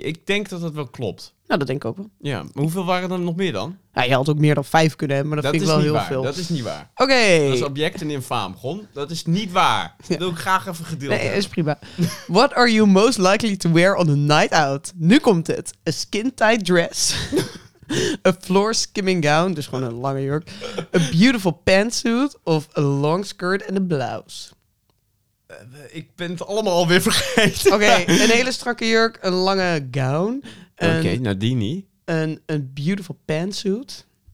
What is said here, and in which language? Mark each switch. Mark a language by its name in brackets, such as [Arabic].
[Dutch] Ik denk dat dat wel klopt. Nou, dat denk ik ook wel. Ja, maar hoeveel waren er nog meer dan? Ja, je had ook meer dan 5 kunnen hebben, maar dat vind ik wel heel waar. Veel. Dat is niet waar. Oké. Okay. Dat is object en infaam, Gon. Dat is niet waar. Dat wil ik graag even gedeeld nee, hebben. Nee, is prima. [English] What are you most likely to wear on a night out? [Dutch] Nu komt het. [English] A skin tight dress. A floor skimming gown. [Dutch] Dus gewoon een lange jurk. [English] A beautiful pantsuit. Of a long skirt and a blouse. [Dutch] Ik ben het allemaal alweer vergeten. Oké, okay, een hele strakke jurk, een lange gown. Oké, okay, nou die niet. Een [English] beautiful pantsuit.